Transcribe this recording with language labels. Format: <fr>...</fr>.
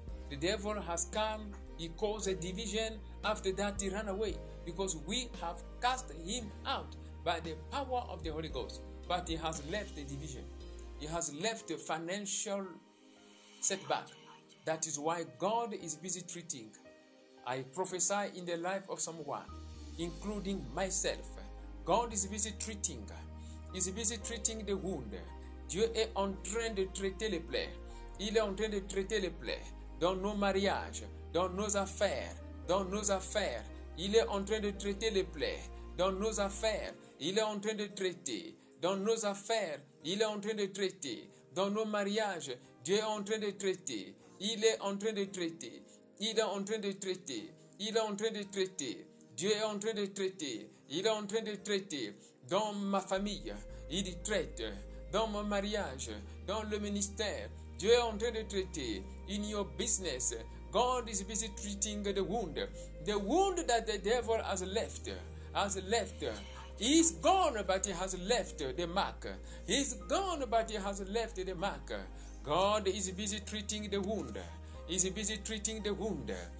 <en>The devil has come, he caused a division. After that, he ran away because we have cast him out by the power of the Holy Ghost. But he has left the division. He has left the financial setback. That is why God is busy treating. I prophesy in the life of someone, including myself. God is busy treating. He's busy treating the wound.</en> <fr>Dieu est en train de traiter les plaies. Il est en train de traiter les plaies. Dans nos mariages, dans nos affaires, dans nos affaires. Il est en train de traiter les plaies. Dans nos affaires. Il est en train de traiter dans nos affaires. Il est en train de traiter dans nos mariages. Dieu est en train de traiter. Il est en train de traiter. Il est en train de traiter. Il est en train de traiter. Dieu est en train de traiter. Il est en train de traiter dans ma famille. Il traite dans mon mariage, dans le ministère. Dieu est en train de traiter.</fr> <en>In your business, God is busy treating the wound that the devil has left, has left. He's gone, but he has left the mark. He's gone, but he has left the mark. God is busy treating the wound. He's busy treating the wound.</en>